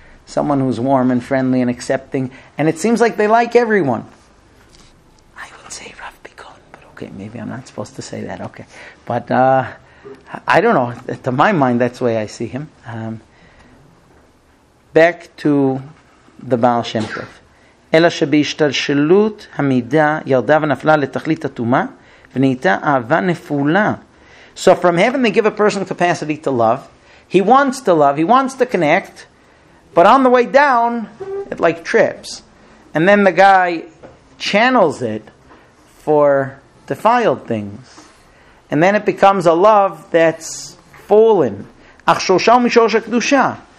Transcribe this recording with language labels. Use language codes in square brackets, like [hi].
[en] Someone who's warm and friendly and accepting, and it seems like they like everyone. I would say Rav Bikon, but okay, maybe I'm not supposed to say that, okay. But I don't know, to my mind that's the way I see him. Back to the Baal Shem Tov. [he] אלא שבהשתלשלות המידה ירדה ונפלה לתכלית התאומה ונהייתה אהבה נפולה. [en] So from heaven they give a person capacity to love. He wants to love, he wants to connect, but on the way down, it like trips. And then the guy channels it for defiled things. And then it becomes a love that's fallen. [he] אך שורשה ומשורש הקדושה.